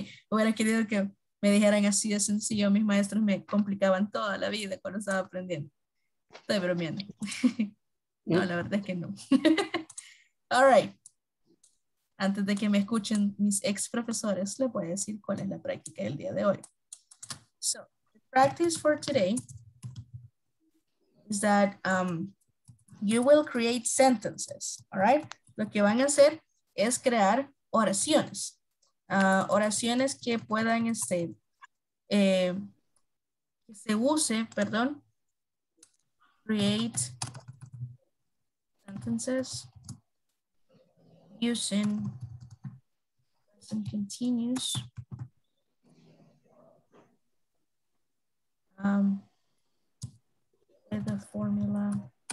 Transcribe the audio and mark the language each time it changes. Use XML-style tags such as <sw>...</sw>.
<es>Hubiera querido que me dijeran así de sencillo. Mis maestros me complicaban toda la vida cuando estaba aprendiendo. Estoy bromeando. No, la verdad es que no.</es> <en>All right.</en> <es>Antes de que me escuchen mis ex profesores, les voy a decir cuál es la práctica del día de hoy.</es> <en>So, the practice for today is that you will create sentences. All right.</en> <es>Lo que van a hacer es crear oraciones. Oraciones que puedan que se use, perdón,</es> <en>create sentences using present continuous with a formula.</en>